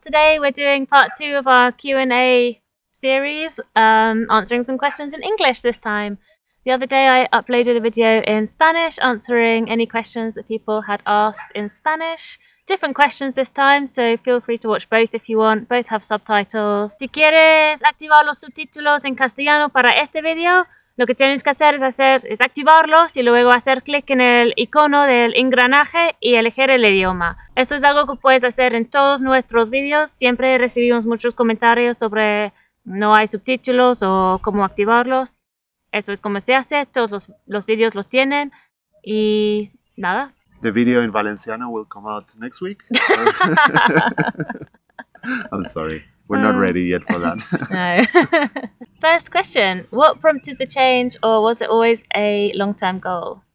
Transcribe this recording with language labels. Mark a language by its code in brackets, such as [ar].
[en] Today we're doing part two of our Q&A series, answering some questions in English this time. The other day I uploaded a video in Spanish answering any questions that people had asked in Spanish. Different questions this time, so feel free to watch both if you want. Both have subtitles. [es] Si quieres activar los subtítulos en castellano para este video, lo que tienes que hacer es activarlos y luego hacer clic en el icono del engranaje y elegir el idioma. Eso es algo que puedes hacer en todos nuestros videos. Siempre recibimos muchos comentarios sobre no hay subtítulos o cómo activarlos. Eso es como se hace. Todos los videos los tienen. Y nada. [en] The video in Valenciano will come out next week. I'm sorry. We're not ready yet for that. No. First question. What prompted the change, or was it always a long-term goal?